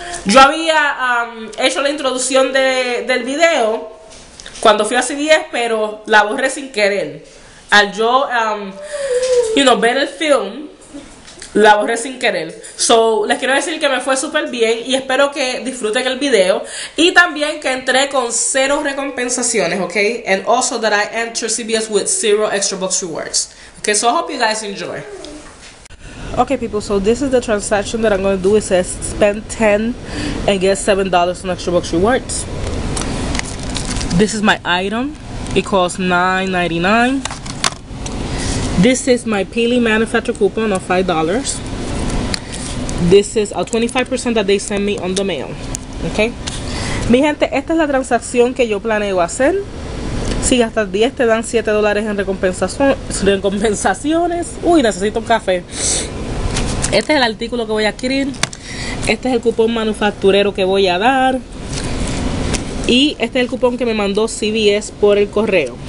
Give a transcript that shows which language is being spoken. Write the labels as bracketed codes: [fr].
[es] Yo había hecho la introducción del video cuando fui a CVS, pero la borré sin querer. Al yo, ver el film, la borré sin querer. So, les quiero decir que me fue súper bien y espero que disfruten el video. Y también que entré con cero recompensaciones, ¿ok? [en] And also that I entered CVS with zero extra box rewards. Okay, so I hope you guys enjoy. Okay, people, so this is the transaction that I'm going to do. It says spend $10 and get $7 on extra box rewards. This is my item. It costs $9.99. This is my Peely manufacturer coupon of $5. This is a 25% that they send me on the mail. Okay? [es] Mi gente, esta es la transacción que yo planeo hacer. Si gastas 10, te dan $7 en recompensaciones. Uy, necesito un café. Este es el artículo que voy a adquirir. Este es el cupón manufacturero que voy a dar. Y este es el cupón que me mandó CVS por el correo.